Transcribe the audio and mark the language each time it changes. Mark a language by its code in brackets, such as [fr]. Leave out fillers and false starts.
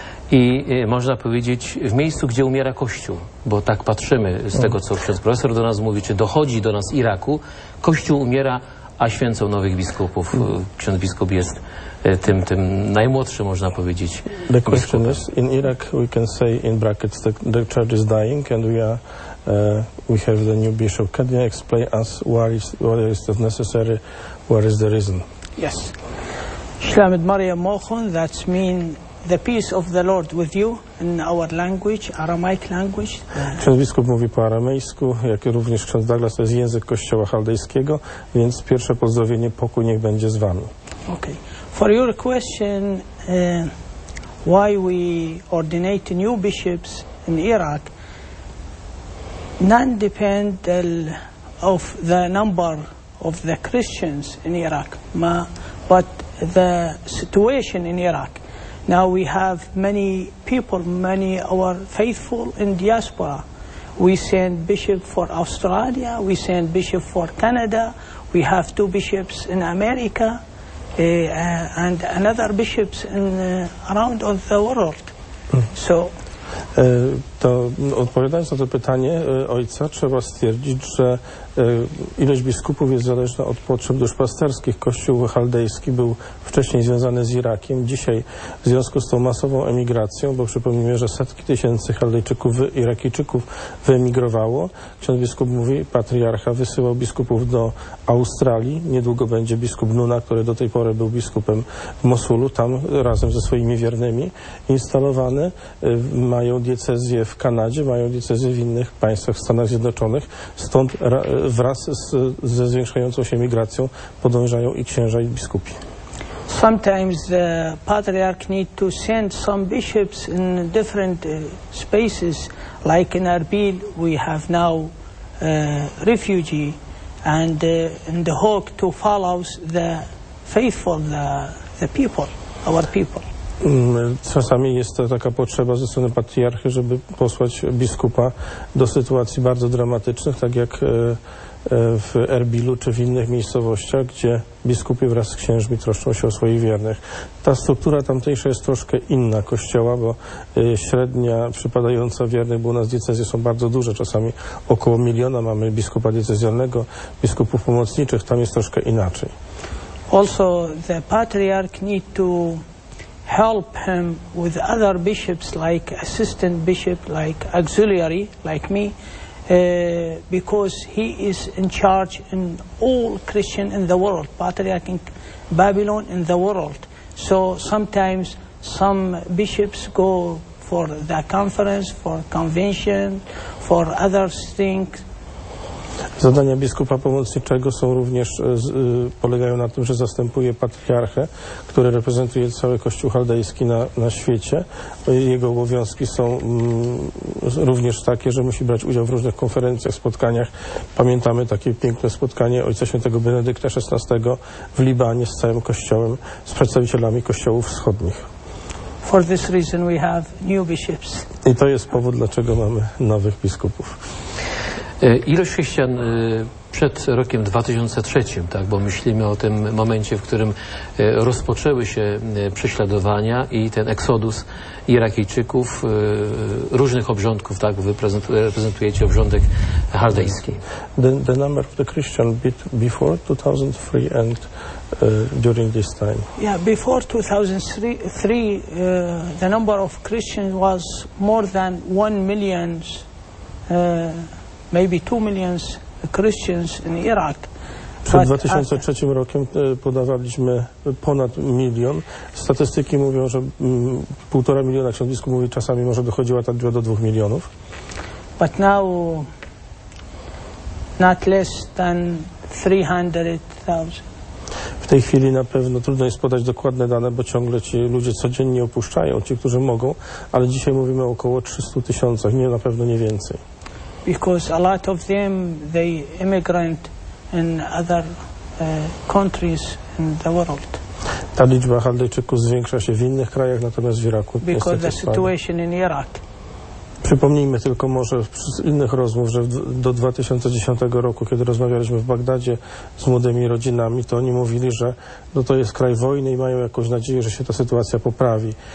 [pl] I można powiedzieć, w miejscu, gdzie umiera Kościół, bo tak patrzymy z tego, co ksiądz profesor do nas mówi, czy dochodzi do nas Iraku, Kościół umiera, a święcą nowych biskupów. Ksiądz biskup jest tym najmłodszym, można powiedzieć, [en] the question is, in Iraq we can say in brackets that the church is dying and we have the new bishop. Can you explain us what is the necessary, what is the reason? Yes. [arc] Shlamet Maria Mochon, [en] that mean the peace of the Lord with you in our language, Aramaic language. [pl] Ksiądz biskup mówi po aramejsku, jak również ksiądz Douglas, to jest język kościoła chaldejskiego, więc pierwsze pozdrowienie, pokój niech będzie z wami. [en] Okay. For your question, why we ordinate new bishops in Iraq, none depend of the number of the Christians in Iraq, but the situation in Iraq. Now we have many people, many our faithful in diaspora. We send bishop for Australia, we send bishop for Canada, we have two bishops in America, and another bishops in around of the world. So [pl] to odpowiadając na to pytanie ojca, trzeba stwierdzić, że ilość biskupów jest zależna od potrzeb duszpasterskich. Kościół chaldejski był wcześniej związany z Irakiem. Dzisiaj w związku z tą masową emigracją, bo przypomnijmy, że setki tysięcy Chaldejczyków, Irakijczyków wyemigrowało. Ksiądz biskup mówi, patriarcha wysyłał biskupów do Australii. Niedługo będzie biskup Nuna, który do tej pory był biskupem w Mosulu, tam razem ze swoimi wiernymi instalowany. Mają diecezję w Kanadzie, mają diecezję w innych państwach, Stanach Zjednoczonych. Stąd wraz ze zwiększającą się migracją podążają i księża, i biskupi. [en] Sometimes the patriarch need to send some bishops in different spaces, like in Erbil we have now refugee, and in the Hawk to follow the faithful, the people, our people. [pl] Czasami jest to taka potrzeba ze strony patriarchy, żeby posłać biskupa do sytuacji bardzo dramatycznych, tak jak w Erbilu czy w innych miejscowościach, gdzie biskupi wraz z księżmi troszczą się o swoich wiernych. Ta struktura tamtejsza jest troszkę inna kościoła, bo średnia przypadająca wiernych, bo u nas diecezje są bardzo duże, czasami około miliona mamy biskupa diecezjalnego, biskupów pomocniczych, tam jest troszkę inaczej. [en] Also the patriarch need to help him with other bishops like assistant bishop, like auxiliary, like me, because he is in charge in all Christian in the world, patriarch in Babylon in the world. So sometimes some bishops go for the conference, for convention, for other things. [pl] Zadania biskupa pomocniczego są również, polegają na tym, że zastępuje patriarchę, który reprezentuje cały Kościół chaldejski na świecie. Jego obowiązki są również takie, że musi brać udział w różnych konferencjach, spotkaniach. Pamiętamy takie piękne spotkanie Ojca Świętego Benedykta XVI w Libanie z całym Kościołem, z przedstawicielami Kościołów Wschodnich. [en] For this reason we have new bishops. [pl] I to jest powód, dlaczego mamy nowych biskupów. Ilość chrześcijan przed rokiem 2003, tak, bo myślimy o tym momencie, w którym rozpoczęły się prześladowania i ten eksodus Irakijczyków, różnych obrządków, tak, wy reprezentujecie obrządek chaldejski. [en] The number of the Christian before 2003 and during this time. Yeah, before 2003, the number of Christians was more than 1 million, maybe 2 million Christians in Iraq. [pl] Przed 2003 rokiem podawaliśmy ponad milion. Statystyki mówią, że 1,5 miliona, ksiądz biskup mówi, czasami może dochodziła tak do 2 milionów. [en] But now not less than 300,000. [pl] W tej chwili na pewno trudno jest podać dokładne dane, bo ciągle ci ludzie codziennie opuszczają, ci, którzy mogą, ale dzisiaj mówimy o około 300 tysiącach, nie, na pewno nie więcej. [en] Because a lot of them, they immigrant in other countries in the world. [pl] Ta liczba Chaldejczyków zwiększa się w innych krajach, natomiast w Iraku niestety spada. [en] Because the situation in Iraq. [pl] Przypomnijmy tylko może z innych rozmów, że do 2010 roku, kiedy rozmawialiśmy w Bagdadzie z młodymi rodzinami, to oni mówili, że no to jest kraj wojny i mają jakąś nadzieję, że się ta sytuacja poprawi.